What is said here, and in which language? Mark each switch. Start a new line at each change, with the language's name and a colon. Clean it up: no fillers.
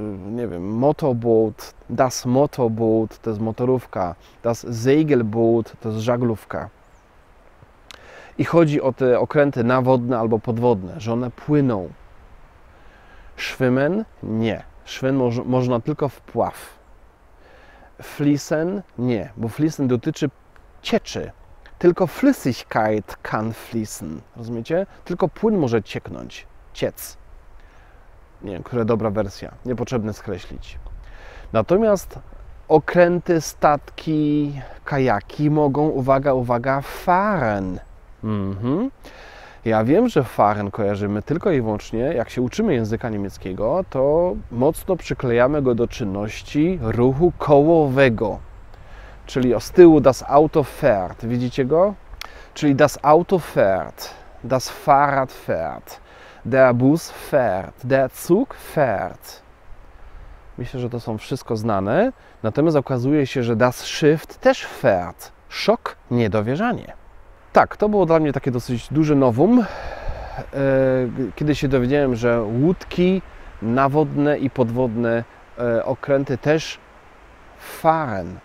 Polish: Nie wiem, motorboot, das motorboot to jest motorówka, das segelboot to jest żaglówka. I chodzi o te okręty nawodne albo podwodne, że one płyną. Schwimmen? Nie. Schwimmen można tylko wpław. Fließen? Nie, bo fließen dotyczy cieczy.
German: Tylko Flüssigkeit kann fließen.
Polish: Rozumiecie? Tylko płyn może cieknąć, ciec. Nie wiem, która dobra wersja. Niepotrzebne skreślić. Natomiast okręty, statki, kajaki mogą, uwaga, uwaga, fahren. Mhm. Ja wiem, że fahren kojarzymy tylko i wyłącznie, jak się uczymy języka niemieckiego, to mocno przyklejamy go do czynności ruchu kołowego. Czyli z tyłu
German: das Auto fährt.
Polish: Widzicie go?
German: Czyli das Auto fährt, das Fahrrad fährt. Der Bus fährt, der Zug fährt.
Polish: Myślę, że to są wszystko znane. Natomiast okazuje się, że das Schiff też fährt. Szok, niedowierzanie. Tak, to było dla mnie takie dosyć duże nowum, kiedy się dowiedziałem, że łódki nawodne i podwodne, okręty też fahren.